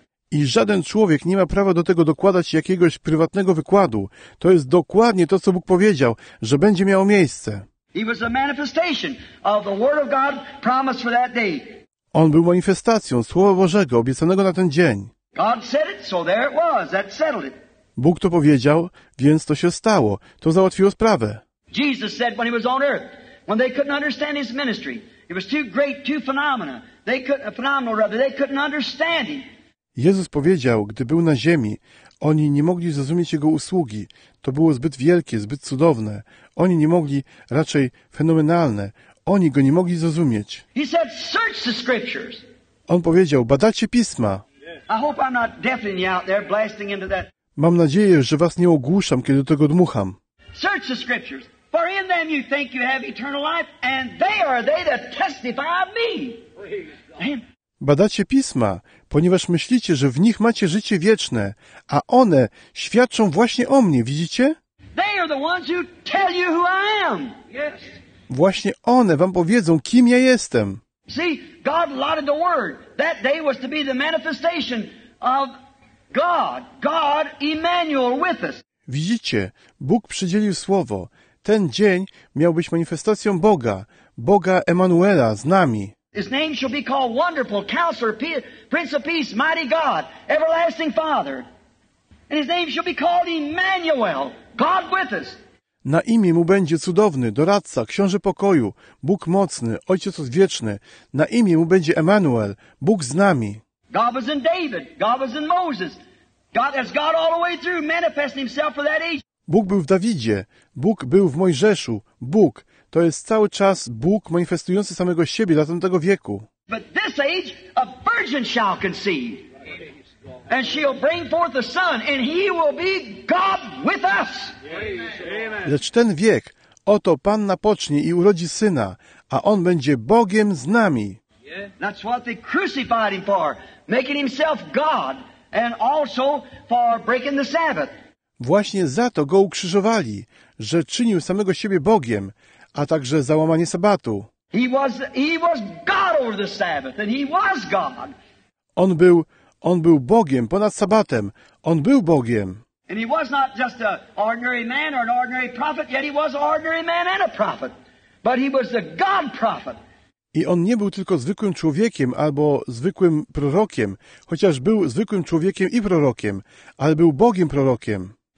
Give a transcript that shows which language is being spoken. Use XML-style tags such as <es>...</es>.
<pl>I żaden człowiek nie ma prawa do tego dokładać jakiegoś prywatnego wykładu. To jest dokładnie to, co Bóg powiedział, że będzie miało miejsce.</pl> <en>He was a manifestation of the word of God promised for that day.</en> <pl>On był manifestacją Słowa Bożego, obiecanego na ten dzień.</pl> <en>God said it, so there it was. That settled it.</en> <pl>Bóg to powiedział, więc to się stało. To załatwiło sprawę.</pl> <en>Jesus said when he was on earth, when they couldn't understand his ministry, it was too great, too phenomenal. They couldn't understand him.</en> <pl>Jezus powiedział, gdy był na ziemi, oni nie mogli zrozumieć jego usługi. To było zbyt wielkie, zbyt cudowne. Oni nie mogli, raczej fenomenalne. Oni go nie mogli zrozumieć.</pl> <en>He said, search the scriptures.</en> <pl>On powiedział, badacie Pisma.</pl> <en>I hope I'm not deafening you out there, blasting into that.</en> <pl>Mam nadzieję, że was nie ogłuszam, kiedy do tego dmucham.</pl> <en>Search the scriptures. For in them you think you have eternal life, and they are they that testify of me.</en> <pl>Badacie Pisma, ponieważ myślicie, że w nich macie życie wieczne, a one świadczą właśnie o mnie, widzicie?</pl> <en>They are the ones who tell you who I am. Yes.</en> <pl>Właśnie one wam powiedzą, kim ja jestem.</pl> <en>See, God allotted the word. That day was to be the manifestation of God. God Emmanuel with us.</en> <pl>Widzicie, Bóg przydzielił słowo. Ten dzień miał być manifestacją Boga, Boga Emanuela z nami.</pl> <en>His name shall be called Wonderful, Counselor, Prince of Peace, Mighty God, Everlasting Father. And His name shall be called Emmanuel, God with us.</en> <pl>Na imię Mu będzie Cudowny, Doradca, Książę Pokoju, Bóg Mocny, Ojciec Odwieczny. Na imię Mu będzie Emmanuel, Bóg z nami.</pl> <en>God was in David, God was in Moses. God has God all the way through manifesting Himself for that age.</en> <pl>Bóg był w Dawidzie, Bóg był w Mojżeszu, Bóg. To jest cały czas Bóg manifestujący samego siebie dla tamtego wieku.</pl> <en>But this age a virgin shall conceive, and she'll bring forth a son, and he will be God with us.</en> <pl>Lecz ten wiek, oto Panna pocznie i urodzi syna, a on będzie Bogiem z nami.</pl> <en>That's what they crucified him for, making himself God, and also for breaking the Sabbath.</en> <pl>Właśnie za to go ukrzyżowali, że czynił samego siebie Bogiem, a także za łamanie sabatu.</pl> <en>He was God over the Sabbath, and he was God.</en> <pl>On był Bogiem ponad sabatem. On był Bogiem.</pl> <en>And he was not just an ordinary man or an ordinary prophet, yet he was an ordinary man and a prophet. But he was the God prophet.</en> <pl>I on nie był tylko zwykłym człowiekiem albo zwykłym prorokiem, chociaż był zwykłym człowiekiem i prorokiem, ale był Bogiem prorokiem.</pl>